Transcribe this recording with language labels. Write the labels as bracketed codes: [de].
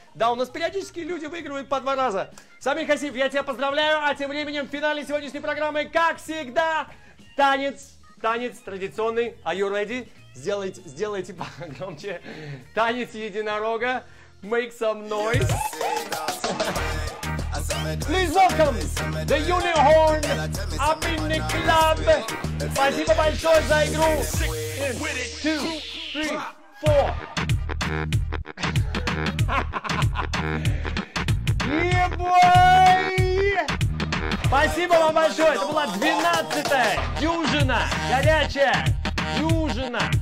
[ru] Да, у нас периодически люди выигрывают по два раза. Самиль Хасиев, я тебя поздравляю, а тем временем в финале сегодняшней программы, как всегда, танец традиционный. [en] Are you ready? [ru] Сделайте погромче. Танец единорога. [en] Make some noise. Please welcome the Unicorn up in the club. [ru] Спасибо большое за игру. 6, 2, 3, 4. Ебой! Спасибо вам большое. Это была 12-я дюжина. Горячая дюжина.